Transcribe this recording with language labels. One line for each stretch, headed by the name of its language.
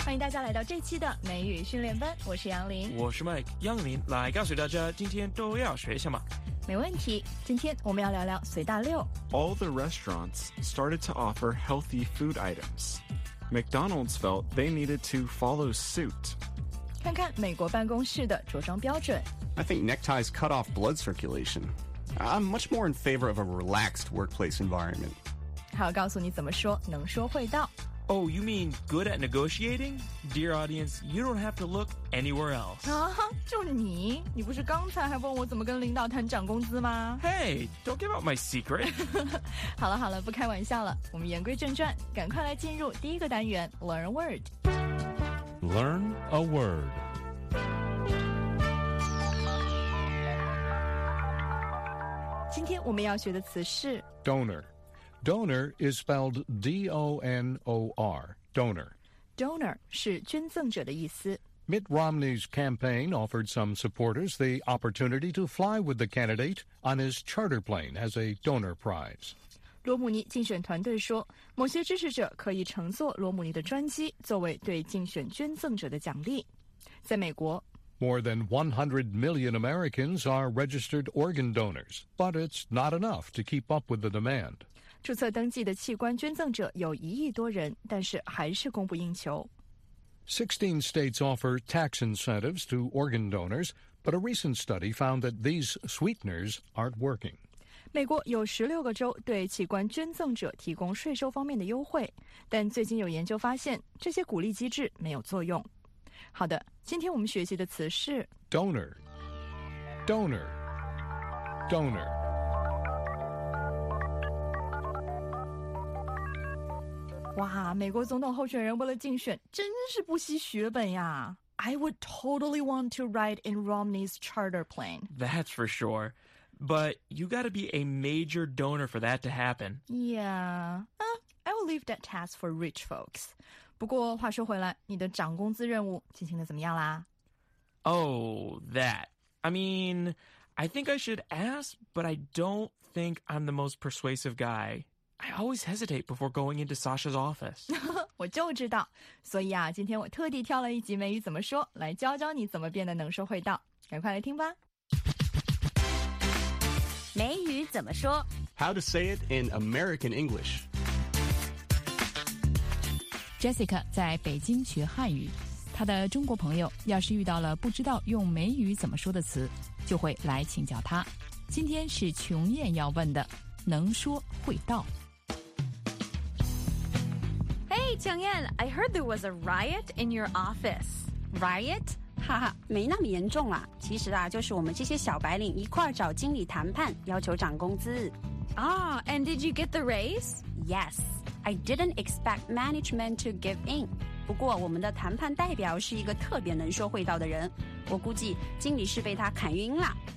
Chinese: 家来到这期的美语训练班，我是杨林，我是 Mike 杨林，来告诉大家今天都要学什么。没问题，今天我们要聊聊随大溜。
English: All the restaurants started to offer healthy food items. McDonald's felt they needed to follow suit.
Chinese: 看看美国办公室的着装标准。
English: I think neckties cut off blood circulation. I'm much more in favor of a relaxed workplace environment.
Chinese: 还要告诉你怎么说，能说会道。
English: Oh, you mean good at negotiating? Dear audience, you don't have to look anywhere else.
Chinese: 啊，就你？你不是刚才还问我怎么跟领导谈涨工资吗？
English: Hey, don't give out my secret.
Chinese: 好了好了，不开玩笑了。我们言归正传，赶快来进入第一个单元 ,
English: Learn a Word. Learn a Word.
Chinese: 今天我们要学的词是
English: Donor. Donor is spelled D-O-N-O-R. Donor.
Chinese: Donor 是捐赠者的意思。
English: Mitt Romney's campaign offered some supporters the opportunity to fly with the candidate on his charter plane as a donor prize.
Chinese: 罗姆尼竞选团队说，某些支持者可以乘坐罗姆尼的专机作为对竞选捐赠者的奖励。在美国，
English: More than 100 million Americans are registered organ donors, but it's not enough to keep up with the demand.
Chinese: 注册登记的器官捐赠者有一亿多人，但是还是供不应求。
English: 16 states offer tax incentives to organ donors, but a recent study found that these sweeteners aren't working.
Chinese: 美国有16个州对器官捐赠者提供税收方面的优惠，但最近有研究发现，这些鼓励机制没有作用。好的，今天我们学习的词是
English: Donor Donor Donor
Chinese: 哇，美国总统候选人为了竞选真是不惜血本呀。
English: I would totally want to ride in Romney's charter plane. That's for sure. But you gotta be a major donor for that to happen. Yeah, I will leave that task for rich folks.
Chinese: 不过话说回来，你的涨工资任务进行得怎么样啦？
English: Oh, that. I mean, I think I should ask, but I don't think I'm the most persuasive guy. I always hesitate before going into Sasha's office.
Chinese: 我就知道。所以啊，今天我特地挑了一集美语怎么说，来教教你怎么变得能说会道。赶快来听吧。美语怎么说？
English: How to say it in American English.
Chinese: Jessica 在北京学汉语，她的中国朋友要是遇到了不知道用美语怎么说的词，就会来请教她。今天是琼艳要问的，能说会道。
English: Hey, 琼艳 ，I heard there was a riot in your office.
Chinese: Riot? 哈哈，没那么严重啦。其实啊，就是我们这些小白领一块找经理谈判，要求涨工资。
English: Ah, and did you get the raise? Yes. I didn't expect management to give in.
Chinese: 不过我们的谈判代表是一个特别能说会道的人，我估计经理是被他砍晕了。